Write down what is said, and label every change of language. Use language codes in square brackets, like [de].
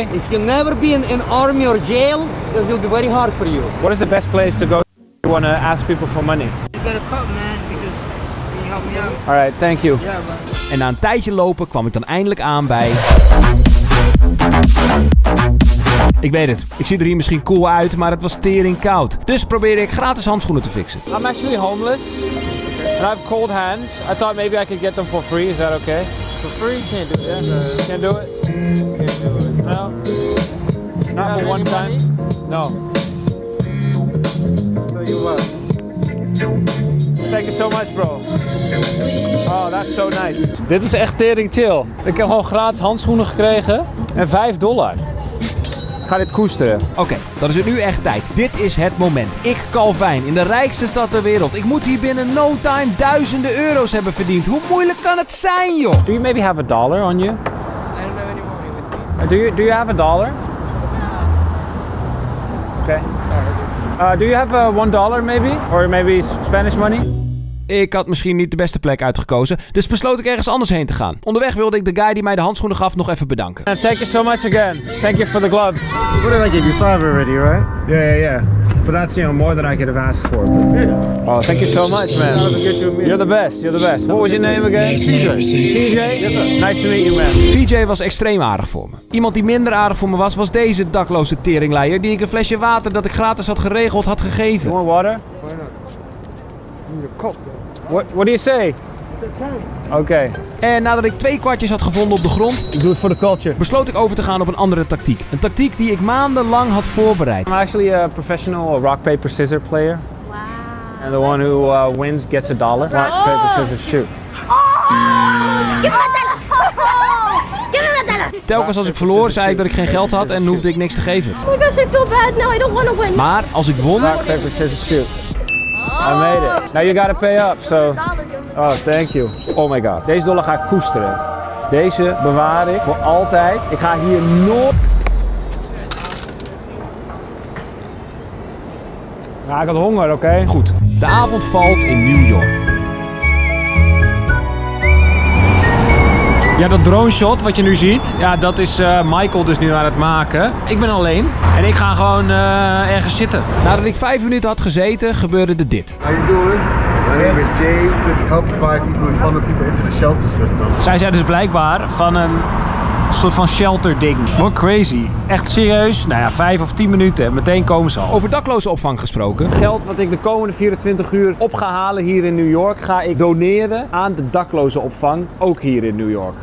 [en] If you never been in army or jail, it will be very hard for you. What is the best place to go if you want to ask people for money? You gotta come, man. Help me out. Alright, thank you. [nl] Ja, man. En na een tijdje lopen kwam ik dan eindelijk aan bij... Ik weet het, ik zie er hier misschien cool uit, maar het was tering koud. Dus probeerde ik gratis handschoenen te fixen. [en] I'm actually homeless. And I have cold hands. I thought maybe I could get them for free, is that okay? For free? Can't do it. Yeah. Can't do it? Can't do it. No? Not for one time? No. Tell you what. Thank you so much, bro. Oh, that's so nice. [nl] Dit is echt tering chill. Ik heb gewoon gratis handschoenen gekregen en $5. Ik ga dit koesteren. Oké, dan is het nu echt tijd. Dit is het moment. Ik, Calvijn, in de rijkste stad ter wereld. Ik moet hier binnen no time duizenden euro's hebben verdiend. Hoe moeilijk kan het zijn, joh? [en] Do you maybe have a dollar on you? I don't have any money with me. Do you have a dollar? No. Okay. Sorry. Do you have $1 maybe? Or maybe Spanish money? [nl] Ik had misschien niet de beste plek uitgekozen, dus besloot ik ergens anders heen te gaan. Onderweg wilde ik de guy die mij de handschoenen gaf nog even bedanken. [en] Thank you so much again. Thank you for the gloves. What did I give you? $5 already, right? Yeah, yeah, yeah. But that's, you know, more than I could have asked for. Oh, thank you so much, man. You're the best, you're the best. What was your name again? TJ. Nice to meet you, man. [nl] TJ was extreem aardig voor me. Iemand die minder aardig voor me was, was deze dakloze teringleier die ik een flesje water dat ik gratis had geregeld had gegeven. [en] More water? What do you say? Okay. [nl] En nadat ik 2 kwartjes had gevonden op de grond, ik doe het voor de culture, besloot ik over te gaan op een andere tactiek. Een tactiek die ik maandenlang had voorbereid. [en] I'm actually a professional rock paper scissor player. Wow. And the one who wins gets a dollar. Rock paper scissors shoot. Give me a dollar. [nl] Telkens als ik verloor, zei ik dat ik geen geld had en hoefde ik niks te geven. [en] Oh my gosh, I feel bad now. I don't want to win. [nl] Maar als ik won, [en] rock paper scissors shoot. I made it. Now you gotta pay up, so... Oh, thank you. Oh my god. [nl] Deze dollar ga ik koesteren. Deze bewaar ik voor altijd. Ik ga hier nooit... Ja, ik had honger, oké? Okay? Goed. De avond valt in New York. Ja, dat drone shot wat je nu ziet, ja, dat is Michael dus nu aan het maken. Ik ben alleen en ik ga gewoon ergens zitten. Nadat ik 5 minuten had gezeten, gebeurde er dit. [en] How you doing? My name is James. We help 5 people and follow people into the shelter system. [nl] Zij zijn dus blijkbaar van een soort van shelter ding. [en] What crazy. [nl] Echt serieus? Nou ja, 5 of 10 minuten. Meteen komen ze al. Over dakloze opvang gesproken. Het geld wat ik de komende 24 uur op ga halen hier in New York, ga ik doneren aan de dakloze opvang. Ook hier in New York.